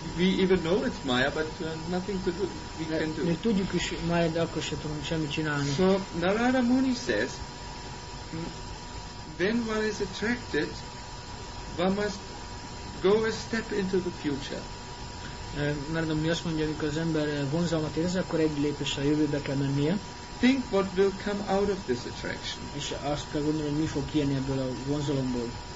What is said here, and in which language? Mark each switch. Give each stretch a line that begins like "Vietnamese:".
English: We even know it's Maya, but nothing to do. We can do.
Hungarian: Még tudjuk is Maya, de akkor sem tudunk semmit csinálni.
English: So Narada Muni says, when one is attracted, one must go a step into the future.
Hungarian: Narada Muni azt mondja, amikor az ember vonzalmat érez, akkor egy lépésre a jövőbe kell mennie.
English: Think what will come out of this attraction.
Hungarian: És azt kell gondolni, hogy mi fog kijönni ebből a vonzalomból.